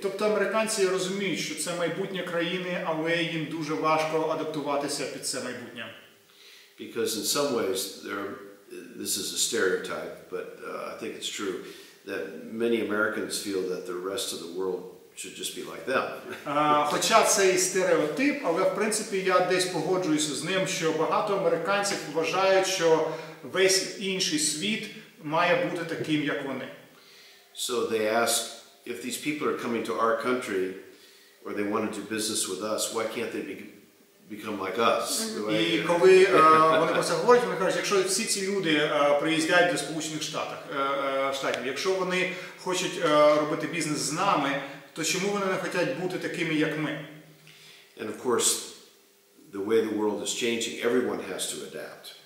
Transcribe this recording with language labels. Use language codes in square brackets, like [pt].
[uk] Тобто американці розуміють, що це майбутнє країни, але їм дуже важко адаптуватися під це майбутнє. [en] Because in some ways, this is a stereotype, but I think it's true that many Americans feel that the rest of the world should just be like them. [uk] Хоча це і стереотип, але в принципі я десь погоджуюся з ним, що багато американців вважають, що весь інший світ має бути таким, як вони. [en] So they ask, if these people are coming to our country, or they want to do business with us, why can't they become like us? [uk] І коли вони про це говорять, вони кажуть, якщо всі ці люди приїздять до Сполучених Штатів, якщо вони хочуть робити бізнес з нами, то чому вони не хочуть бути такими, як ми? [en] And of course, the way the world is changing, everyone has to adapt.